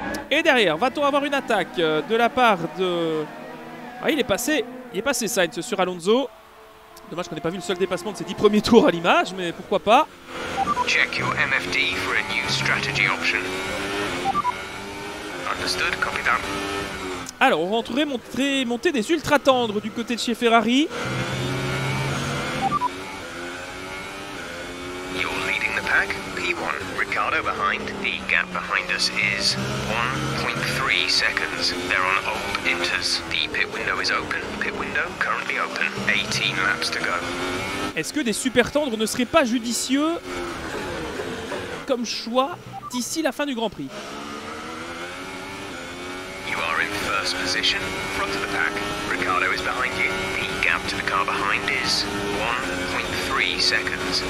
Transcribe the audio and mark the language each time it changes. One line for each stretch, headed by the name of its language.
French: Et derrière, va-t-on avoir une attaque de la part de... Ah, il est passé Sainz sur Alonso. Dommage qu'on n'ait pas vu le seul dépassement de ses 10 premiers tours à l'image, mais pourquoi pas.
English: Check your MFD for a new strategy option. Understood, copy that.
French: Alors, on rentrerait monter des ultra tendres du côté de chez Ferrari.
English: You're leading the pack. Ricciardo behind. The gap behind us is 1.3 seconds. They're on old inters. The pit window is open. Pit window currently open. 18 laps to go.
French: Est-ce que des super tendres ne seraient pas judicieux comme choix d'ici la fin du Grand Prix?
English: You are in first position, front of the pack. Ricciardo is behind you. The gap to the car behind is 1.3 seconds.